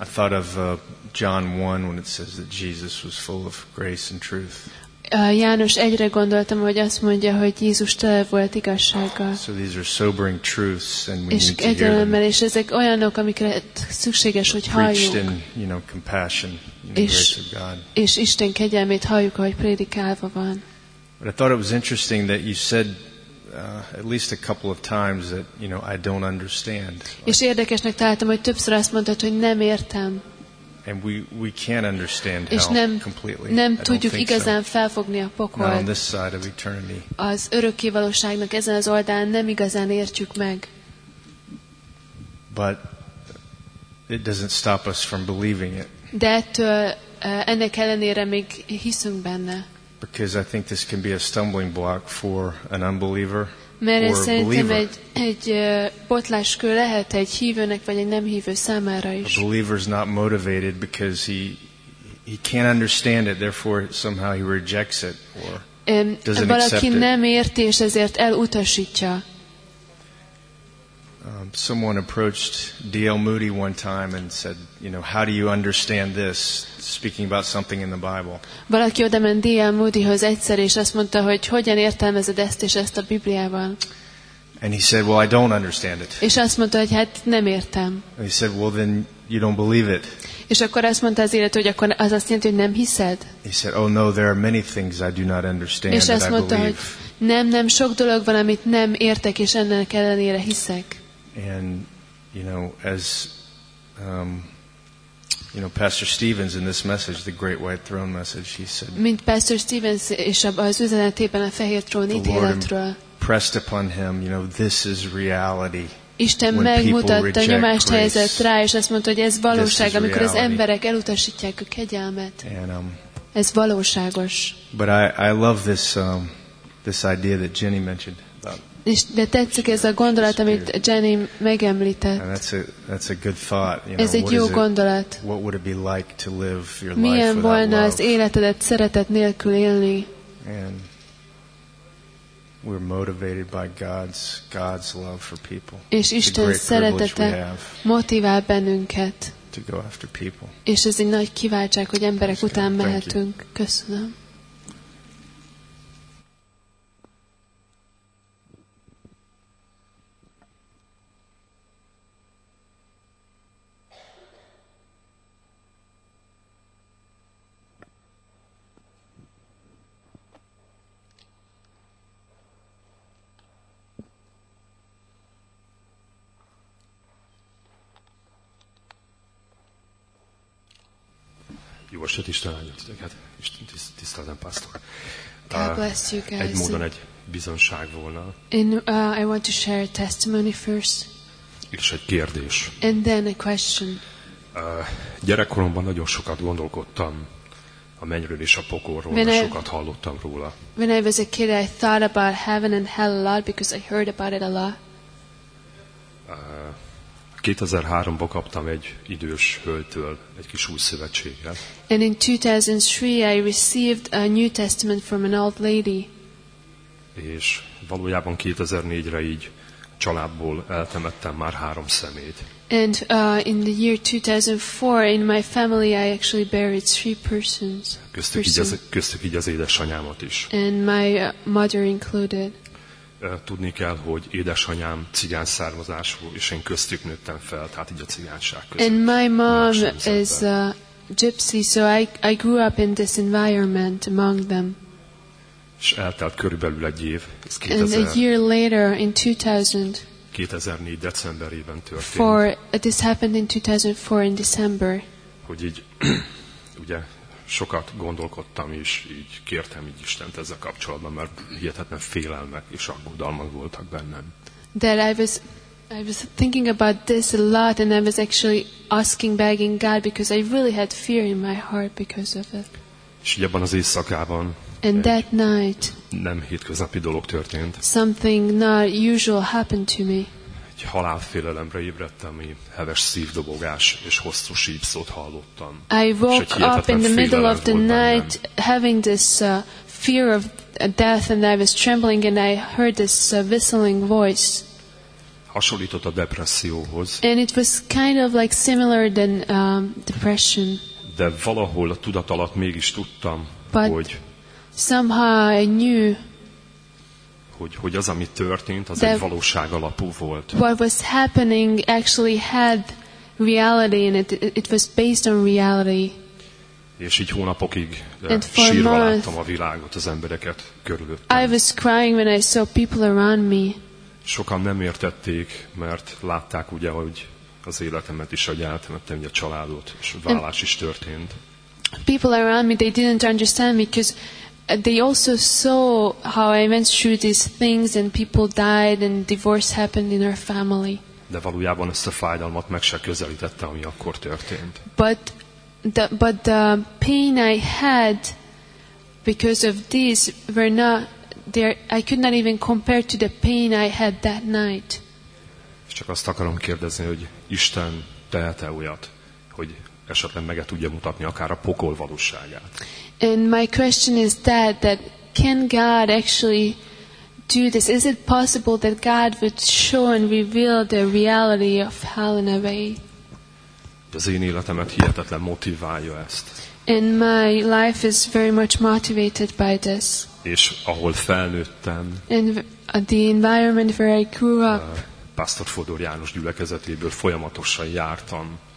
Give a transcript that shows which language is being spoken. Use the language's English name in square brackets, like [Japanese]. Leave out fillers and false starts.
[English] I thought of John 1 when it says that Jesus was full of grace and truth. [Hungarian] János egyre gondoltam, hogy azt mondja, hogy Jézus tele volt igazsággal. [English] So these are sobering truths, and we [Hungarian] és [English] need to hear them. [Hungarian] És ezek olyanok, amiket szükséges, hogy halljuk. [English] Preached in, you know, compassion and the grace of God. [Hungarian] És Isten kegyelmét halljuk, ahogy prédikálva van. [English] But I thought it was interesting that you said at least a couple of times that, you know, I don't understand. [Hungarian] És érdekesnek találtam, hogy többször azt mondtad, hogy nem értem. [English] And we can't understand hell completely. [Hungarian] Nem tudjuk igazán felfogni a pokolt. [English] Not on this side of eternity. [Hungarian] Az örökkévalóságnak ezen az oldalán nem igazán értjük meg. [English] But it doesn't stop us from believing it. [Hungarian] De ettől, ennek ellenére még hiszünk benne. [English] Because I think this can be a stumbling block for an unbeliever or a believer. [Hungarian] Egy botláskő lehet egy hívőnek vagy egy nem hívő számára is. [English] A believer is not motivated because he can't understand it, therefore somehow he rejects it or doesn't accept it. [Hungarian] Valaki nem érti és ezért elutasítja. [English] Someone approached D.L. Moody one time and said, you know, how do you understand this, speaking about something in the Bible. [Hungarian] Valaki odament D.L. Moodyhoz egyszer, és azt mondta, hogy hogyan értelmezed ezt és ezt a Bibliában. [English] And he said, well, I don't understand it. [Hungarian] És azt mondta, hogy hát nem értem. [English] And he said, well, then you don't believe it. [Hungarian] És akkor azt mondta az élet, hogy akkor az azt jelenti, hogy nem hiszed. [English] He said, oh no, there are many things I do not understand, [Hungarian] és azt mondta, [English] that I believe. [Hungarian] Hogy nem, sok dolog van, amit nem értek, és ennek ellenére hiszek. [English] And, you know, as, you know, Pastor Stevens in this message, the Great White Throne message, he said, [Hungarian] mint Pastor Stevens és az üzenetében a fehér trón ítéletről, [English] pressed upon him, you know, this is reality. [Hungarian] Isten megmutatta, nyomást helyezett rá, és azt mondta, hogy ez valóság, amikor az emberek elutasítják a kegyelmet. Ez valóságos. [English] But I love this idea that Jenny mentioned about [Hungarian] De tetszik ez a gondolat, amit Jenny megemlített. [English] And that's a good thought. You know, [Hungarian] ez egy jó gondolat. [English] What would it be like to live your [Hungarian] milyen [English] life without [Hungarian] volna [English] love? [Hungarian] Az életedet szeretet nélkül élni? [English] And we're motivated by God's love for people. [Hungarian] És Isten szeretete motivál bennünket. [English] To go after people. [Hungarian] És ez egy nagy kiváltság, hogy emberek [English] that's [Hungarian] után mehetünk. Köszönöm. Jó estét, Isten áldjon titeket, és tiszteltem pásztor. [English] God bless you guys. [Hungarian] Egy módon egy bizonság volna. [English] I want to share a testimony first. [Hungarian] És egy kérdés. [English] And then a question. [Hungarian] Gyerekkoromban nagyon sokat gondolkodtam a mennyről és a pokolról, sokat hallottam róla. [English] When I was a kid, I thought about heaven and hell a lot because I heard about it a lot. [Hungarian] 2003-ban kaptam egy idős hölgytől egy kis új szövetséget. [English] And in 2003 I received a New Testament from an old lady. [Hungarian] És valójában 2004-re így családból eltemettem már három szemét. [English] And in the year 2004 in my family I actually buried three persons. [Hungarian] Köztük így az édesanyámat is. [English] And my mother included. [Hungarian] Tudni kell, hogy édesanyám cigány származású, és én köztük nőttem fel, tehát így a cigányság között. [English] And my mom is a gypsy, so I grew up in this environment among them. [Hungarian] És eltelt körülbelül egy év. [English] And a year later, in 2000. [Hungarian] 2004 decemberében történt. [English] For this happened in 2004 in December. [Hungarian] Hogy így, ugye? Sokat gondolkodtam, és így kértem így Istent ezzel kapcsolatban, mert hihetetlen félelmek és aggodalmak voltak bennem. [English] That I was thinking about this a lot, and I was actually asking, begging God, because I really had fear in my heart because of it. [Hungarian] És így abban az éjszakában, [English] and that night, [Hungarian] nem hétköznapi dolog történt. [English] Something not usual happened to me. [Hungarian] Egy halálfélelemre ébredtem, egy heves szívdobogás és hosszú sípszót hallottam. [English] I woke up in the middle of the night having this fear of death, and I was trembling, and I heard this whistling voice. [Hungarian] Hasonlított a depresszióhoz. [English] And it was kind of like similar than depression. [Hungarian] De valahol a tudat alatt mégis tudtam, [English] but [Hungarian] hogy [English] somehow I knew. [Hungarian] Hogy az, ami történt, az egy valóság alapú volt. [English] What was happening actually had reality in it. It was based on reality. [Hungarian] És így hónapokig sírva láttam a világot, az embereket körülöttem. [English] I was crying when I saw people around me. [Hungarian] Sokan nem értették, mert látták ugye, hogy az életemet is, hogy eltemettem ugye a családot, és válás is történt. [English] People around me, they didn't understand me because they also saw how I went through these things and people died and divorce happened in our family. [Hungarian] De valójában ezt a fájdalmat meg se közelítette, ami akkor történt. [English] But the pain I had because of this were not there. I could not even compare to the pain I had that night. [Hungarian] Csak azt akarom kérdezni, hogy Isten tehet-e olyat, hogy esetleg meg tudja mutatni akár a pokol valóságát. [English] And my question is that can God actually do this? Is it possible that God would show and reveal the reality of hell in a way? [Hungarian] Az én életemet hihetetlen motiválja ezt. [English] And my life is very much motivated by this. [Hungarian] És ahol felnőttem. [English] And the environment where I grew up. [Hungarian] Pastor Fodor János gyülekezetéből folyamatosan jártam.